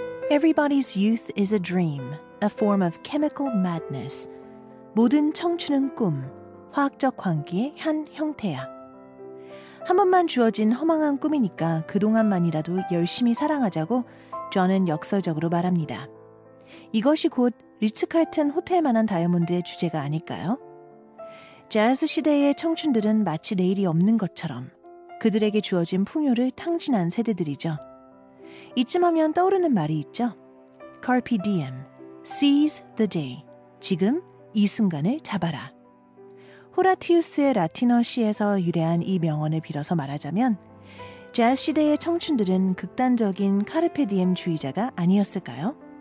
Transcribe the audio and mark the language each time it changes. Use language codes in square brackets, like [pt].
[en] Everybody's youth is a dream, a form of chemical madness. [ko] 모든 청춘은 꿈, 화학적 광기의 한 형태야. 한 번만 주어진 허망한 꿈이니까 그동안만이라도 열심히 사랑하자고 존은 역설적으로 말합니다. 이것이 곧 리츠칼튼 호텔만한 다이아몬드의 주제가 아닐까요? 재즈 시대의 청춘들은 마치 내일이 없는 것처럼 그들에게 주어진 풍요를 탕진한 세대들이죠. 이쯤 하면 떠오르는 말이 있죠. [la] Carpe diem, [en] seize the day. [ko] 지금 이 순간을 잡아라. 호라티우스의 라틴어 시에서 유래한 이 명언을 빌어서 말하자면 재즈 시대의 청춘들은 극단적인 카르페 디엠 주의자가 아니었을까요?